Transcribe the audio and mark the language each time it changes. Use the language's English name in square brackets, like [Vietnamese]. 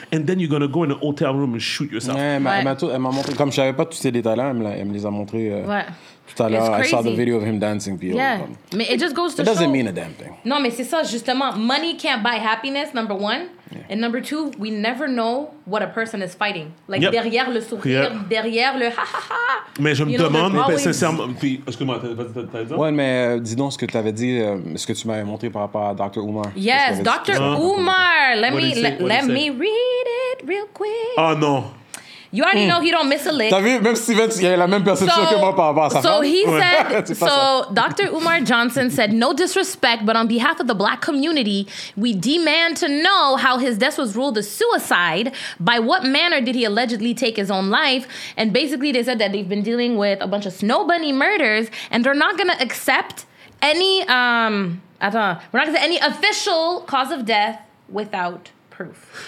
[English] And then you're going to go in a hotel room and shoot yourself. [French] Ouais, elle m'a montré, comme je savais pas tous ces détails-là, elle me les a montré tout à l'heure. [English] It's crazy. I saw the video of him dancing. Yeah, [French] mais [English] it just goes to it show. It doesn't mean a damn thing. [French] Non, mais c'est ça, justement. [English] Money can't buy happiness, number one. Yeah. And number two, we never know what a person is fighting. [French] Like, derrière le sourire, derrière le ha-ha-ha. Mais je me demande, mais sincèrement... Puis, excuse-moi, t'as dit ça? Ouais, mais dis donc ce que tu avais dit, ce que tu m'avais montré par rapport à Dr. Umar. [English] Yes, Dr. Umar. Let me read it real quick. [French] Oh, non. [English] You already know he don't miss a lick. [French] T'as vu, même Steven, il y a la même perception que moi par rapport à sa femme. [English] So he said, so Dr. Umar Johnson said, no disrespect, but on behalf of the black community, we demand to know how his death was ruled a suicide. By what manner did he allegedly take his own life? And basically they said that they've been dealing with a bunch of snow bunny murders and they're not going to accept any, we're not going to say any official cause of death without proof.